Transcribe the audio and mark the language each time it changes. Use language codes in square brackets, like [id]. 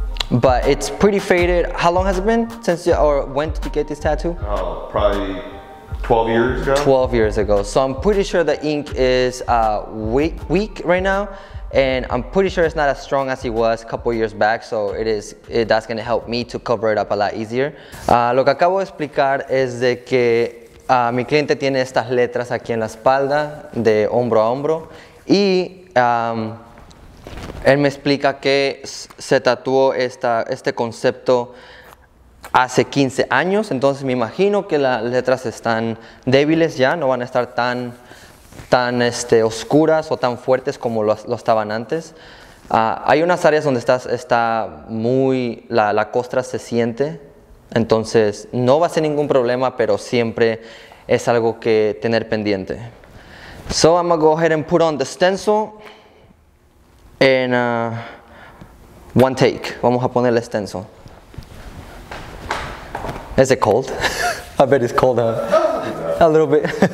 [en] But it's pretty faded. How long has it been since you, or when did you get this tattoo? Probably 12 years ago. 12 years ago. So I'm pretty sure the ink is weak right now. And I'm pretty sure it's not as strong as he was a couple years back, so that's gonna help me to cover it up a lot easier. [es] Lo que acabo de explicar es de que mi cliente tiene estas letras aquí en la espalda, de hombro a hombro, y él me explica que se tatuó este concepto hace 15 años, entonces me imagino que las letras están débiles ya, no van a estar tan oscuras o tan fuertes como lo estaban antes. Hay unas áreas donde está muy, la costra se siente, entonces no va a ser ningún problema, pero siempre es algo que tener pendiente. [en] So I'm gonna go ahead and put on the stencil in one take. [es] Vamos a poner el stencil. [en] Is it cold? I bet it's cold, huh? A little bit.